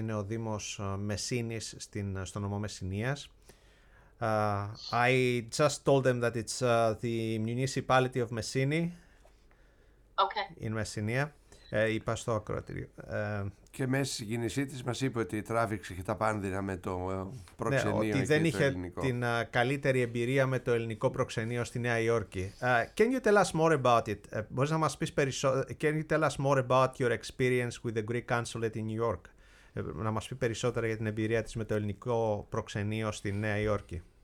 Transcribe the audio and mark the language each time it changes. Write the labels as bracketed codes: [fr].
[el] Είναι ο Δήμος Μεσίνης στο νομό Μεσσηνίας. [en] I just told them that it's the municipality of Messini. Okay. In Messinia. [el] Είπα στο ακροατήριο. Και μέσα στη κίνησή της μας είπε ότι τράβηξε και τα πάνδυνα με το προξενείο και το ελληνικό. Ότι δεν είχε την καλύτερη εμπειρία με το ελληνικό προξενείο στη Νέα Υόρκη. [en] Can you tell us more about it? [el] Μπορείς να μας πεις περισσότερο. [en] Can you tell us more about your experience with the Greek consulate in New York? [el] Να μας πει περισσότερα για την εμπειρία της με το ελληνικό προξενείο στη Νέα Υόρκη.